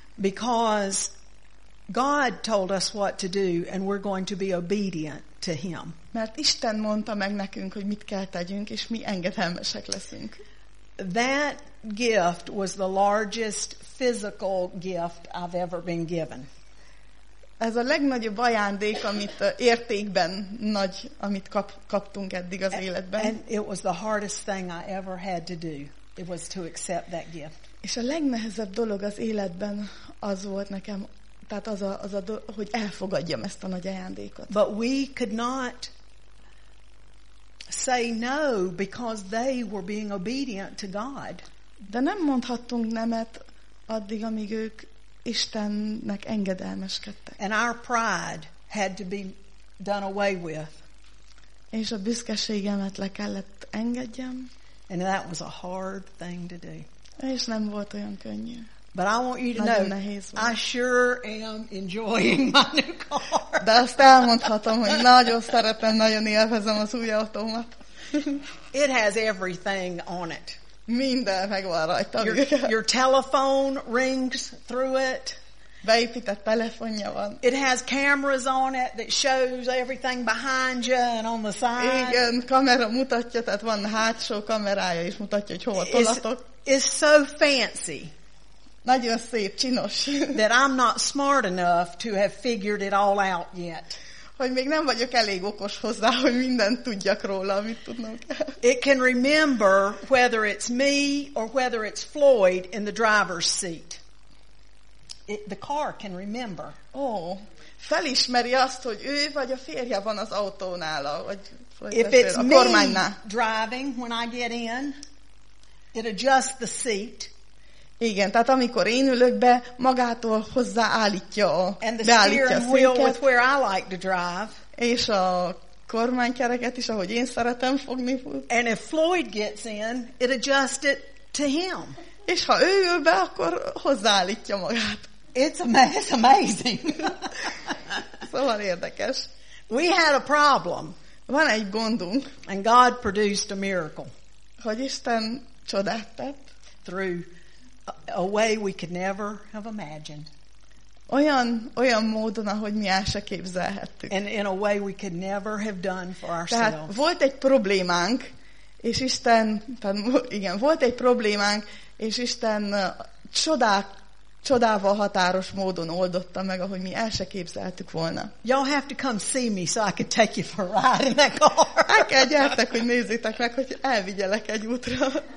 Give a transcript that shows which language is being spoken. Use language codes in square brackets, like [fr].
[en] Because God told us what to do, and we're going to be obedient to Him. [hu] Mert Isten mondta meg nekünk, hogy mit kell tegyünk, és mi engedelmesek leszünk. [en] That gift was the largest physical gift I've ever been given. [hu] Ez a legnagyobb ajándék, amit értékben nagy, amit kaptunk eddig az életben. [en] And it was the hardest thing I ever had to do. It was to accept that gift. [hu] És a legnehezebb dolog az életben az volt nekem. Tehát az a hogy elfogadjam ezt a nagy ajándékot. [en] But we could not say no because they were being obedient to God. [hu] De nem mondhattunk nemet addig, amíg ők Istennek engedelmeskedtek. [en] And our pride had to be done away with. [hu] És a büszkeségemet le kellett engedjem. [en] And that was a hard thing to do. [hu] És nem volt olyan könnyű. [en] But I want you to know, I sure am enjoying my new car. [hu] De azt elmondhatom, hogy nagyon szeretem, nagyon élvezem az új autómat. [en] It has everything on it. [hu] Minden megvan rajta. [en] Your telephone rings through it. [hu] Beépített telefonja van. [en] It has cameras on it that shows everything behind you and on the side. [hu] Igen, kamera mutatja, tehát van hátsó kamerája is mutatja, hogy hova tolatok. [en] It's so fancy. [hu] Nagyon szép, csinos. [en] That I'm not smart enough to have figured it all out yet. [hu] Hogy még nem vagyok elég okos hozzá, hogy mindent tudjak róla, amit tudnom kell. [en] It can remember whether it's me or whether it's Floyd in the driver's seat. The car can remember. [hu] Oh, felismeri azt, hogy ő vagy a férje van az autónál, vagy Floyd [en] if it's a [hu] kormánynál. [en] Me driving when I get in, it adjusts the seat. [hu] Igen, tehát amikor én ülök be, magától hozzáállítja, beállítja a széket, és a kormánykereket is, ahogy én szeretem fogni. [en] And if Floyd gets in, it adjusts it to him. [hu] És ha ő ül be, akkor hozzáállítja magát. [en] It's amazing. [hu] Szóval érdekes. [en] We had a problem. [hu] Van egy gondunk. [en] And God produced a miracle. [hu] Hogy Isten csodát tett. [en] Through a way we could never have imagined. [hu] Olyan módon, ahogy mi el se képzelhettük. [en] And in a way we could never have done for ourselves. [hu] Tehát volt egy problémánk, és Isten, tehát igen, volt egy problémánk, és Isten csodával határos módon oldotta meg, ahogy mi el se képzeltük volna. [en] Y'all have to come see me so I could take you for a ride in that car. [hu] El kell gyertek, hogy nézzétek meg, hogy elvigyelek egy útra.